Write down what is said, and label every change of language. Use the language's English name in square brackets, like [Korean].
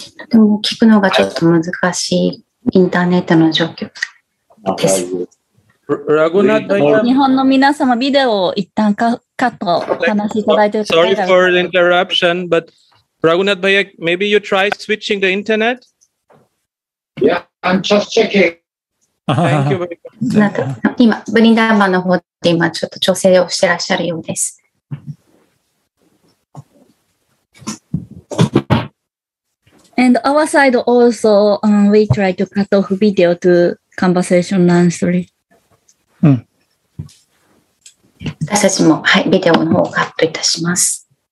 [Japanese] でも聞くのがちょっと難しいインターネットの状況です。ラグナタ日本の皆様、ビデオを一旦カットお話しいただいて。 [English] Sorry for the interruption, but Raghunath Bhaiya, maybe you try switching the internet? Yeah, I'm just checking. Thank you very much. [Japanese] 今ブリンダーバの方で今ちょっと調整をしてらっしゃるようです。 [English] And our side also, we try to cut off video to conversation answering. [Japanese] 私たちも、はい、ビデオの方をカットいたします。